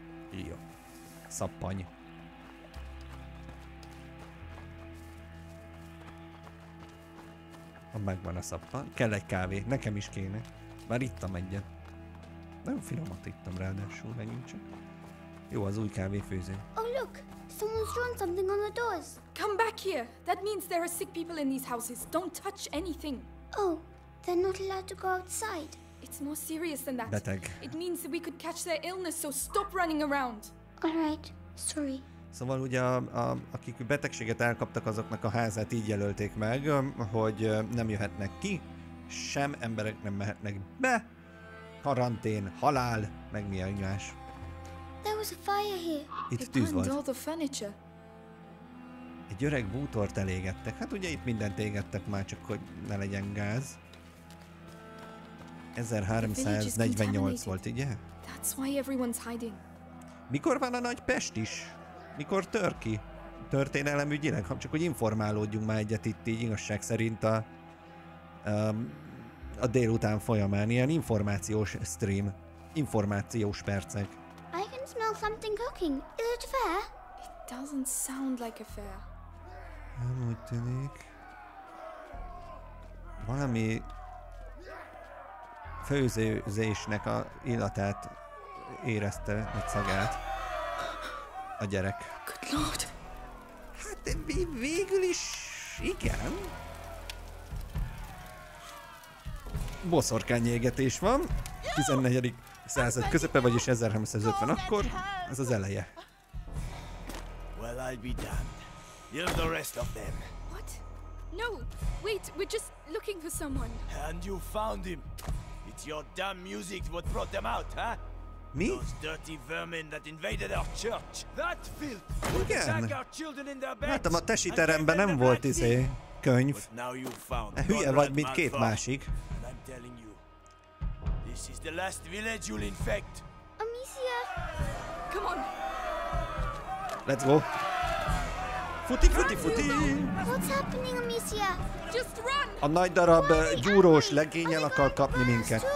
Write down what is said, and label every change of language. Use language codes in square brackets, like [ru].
[hu] Jó, szappany. Ha megvan a szappany, kell egy kávé, nekem is kéne, már ittam egyet. Nagyon finomat ittam ráadásul megint csak. Jó, az új kávéfőző. [en] Oh, look! Someone's drawn something on the doors. Come back here! That means there are sick people in these houses. Don't touch anything. Oh, They're not allowed to go outside. It's more serious than that. [hu] Beteg. [en] It means that we could catch their illness, so stop running around. All right, sorry. [hu] Szóval ugye, akik betegséget elkaptak, azoknak a házát így jelölték meg, hogy nem jöhetnek ki, sem emberek nem mehetnek be. Karantén, halál, meg mi egymás. [en] There was a fire here. [hu] Itt tűz volt. [en] All the furniture. [hu] Egy öreg bútort elégettek. Hát ugye itt mindent égettek már, csak hogy ne legyen gáz. 1348 volt, ugye? [en] That's why everyone's hiding. [hu] Mikor van a nagy pest is? Mikor tör ki? Történelemügyileg? Csak hogy informálódjunk már egyet itt így igazság szerint a délután folyamán. Ilyen információs stream. Információs percek. [en] I can smell something cooking. Is it fair? It doesn't sound like a fair. [hu] Nem úgy tűnik. Valami főzésnek a illatát érezte a szagát a gyerek. [en] Good Lord. [hu] Hát végül is igen. Boszorkány égetés van. 14. század közepe, vagyis 1350 akkor. Ez az eleje. [en] Well, I'll be done. You're the rest of them. What? No, wait, we're just looking for someone. And you found him. It's your damn music what brought them out, huh? Me? Those dirty vermin that invaded our church. That filth! [hu] Igen. [en] Sank our children in their beds. [hu] Láttam, a tesi teremben nem volt izé könyv. [en] But now you found God. [hu] Hülye vagy, mint két másik. [en] And I'm telling you, this is the last village you'll infect. Amicia! Come on! Let's go! [hu] Futi, futi, futi! [en] What's happening, Amicia? Just run! [hu] A nagy darab gyúrós legényel akar kapni minket.